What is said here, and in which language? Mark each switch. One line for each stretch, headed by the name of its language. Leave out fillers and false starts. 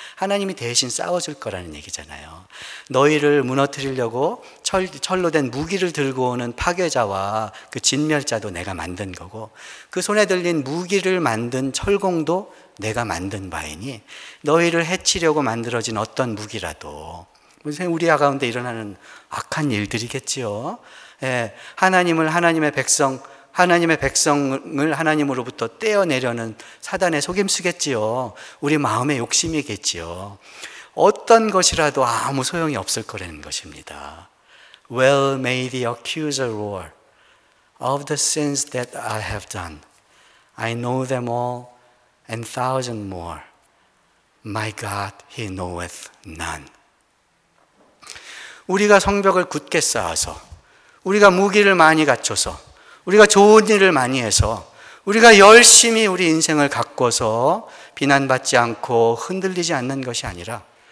Korean: 하나님이 대신 싸워줄 거라는 얘기잖아요. 너희를 무너뜨리려고 철로 된 무기를 들고 오는 파괴자와 그 진멸자도 내가 만든 거고, 그 손에 들린 무기를 만든 철공도 내가 만든 바이니 너희를 해치려고 만들어진 어떤 무기라도, 우리 가운데 일어나는 악한 일들이겠지요. 하나님을 하나님의 백성 하나님의 백성을 하나님으로부터 떼어내려는 사단의 속임수겠지요. 우리 마음의 욕심이겠지요. 어떤 것이라도 아무 소용이 없을 거라는 것입니다.
English: Well may the accuser roar of the sins that I have done. I know them all and thousand more. My God, he knoweth none.
Korean: 우리가 성벽을 굳게 쌓아서, 우리가 무기를 많이 갖춰서, 우리가 좋은 일을 많이 해서, 우리가 열심히 우리 인생을 가꿔서 비난받지 않고 흔들리지 않는 것이 아니라,